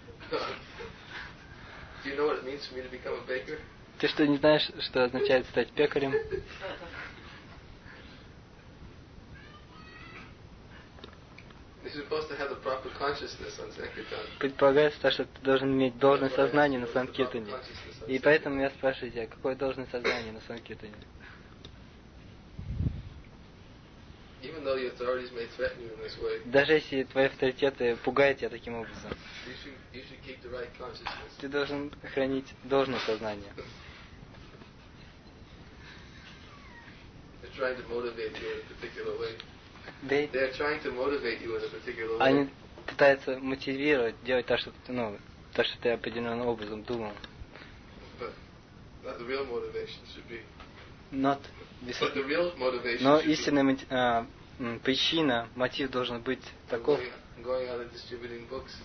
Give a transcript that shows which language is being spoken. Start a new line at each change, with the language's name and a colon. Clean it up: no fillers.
English: Do you know what it means for me to become a baker?
Russian: Ты что, не знаешь, что означает стать пекарем?
English: You're supposed to have the proper consciousness on Sankirtan.
Russian: Предполагается, что ты должен иметь должное сознание на Санкиртане. И поэтому я спрашиваю тебя, какое должное сознание на Санкиртане?
English: Even though your authorities may threaten you in this way,
Russian: даже если твои авторитеты пугают тебя таким образом,
English: you should keep the right consciousness.
Russian: Ты должен хранить должное сознание.
English: They're trying to motivate you in a particular way. They are trying to motivate you in a particular way.
Russian: Они пытаются мотивировать, делать так, чтобы ты, ну, так, что ты определенным образом думал.
English: But the real motivation should be. Not. But the real motivation.
Russian: Но истинная причина, мотив должен быть таков.
English: Going out and distributing books.